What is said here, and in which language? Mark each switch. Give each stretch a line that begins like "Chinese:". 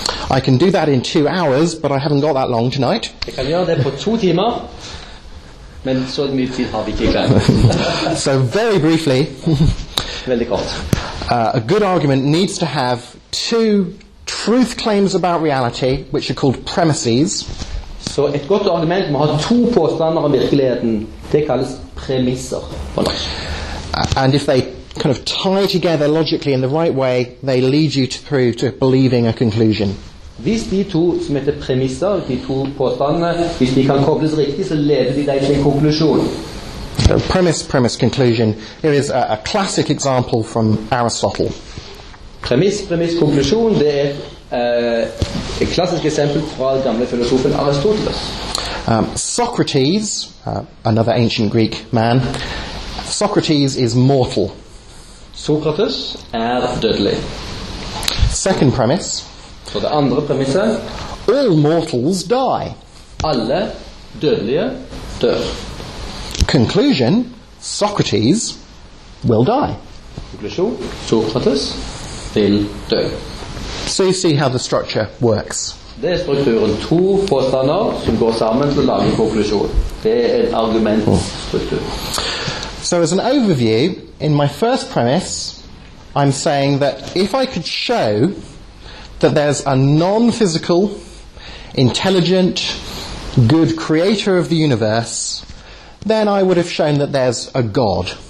English: I can do that in 2 hours, but I haven't got that long tonight.
Norwegian: Jeg kan gjøre det på 2 timer, men så mye tid har vi ikke.
English: So very briefly,
Norwegian: veldig kort.
English: A good argument needs to have 2 truth claims about reality, which are called premises.
Norwegian: Så et godt argument må ha 2 påstander om virkeligheten. Det kalles premisser.
English: And if they kind of tie together logically in the right way, they lead you through to believing a conclusion.
Norwegian: Hvis de to som heter premisser, de to påstandene, hvis de kan kobles riktig, så leder de deg til en konklusjon.
English: So premise, conclusion. It is a classic example from Aristotle. Premise, conclusion.
Norwegian: Det er et klassisk eksempel fra den gamle filosofen Aristoteles.
English: Socrates, another ancient Greek man. Socrates is mortal.
Norwegian: Socrates er dødelig.
English: Second premise.
Norwegian: For det andre premisset.
English: All mortals die.
Norwegian: Alle dødelige dør.
English: Conclusion, Socrates will die. Conclusion, Socrates will die. So you see how the structure works.
Norwegian: Det er strukturen. 2 påstander som går sammen til å lage en konklusjon. Det er en argumentstruktur.
English: So as an overview, in my first premise, I'm saying that if I could show that there's a non-physical, intelligent, good creator of the universe, then I would have shown that there's a God.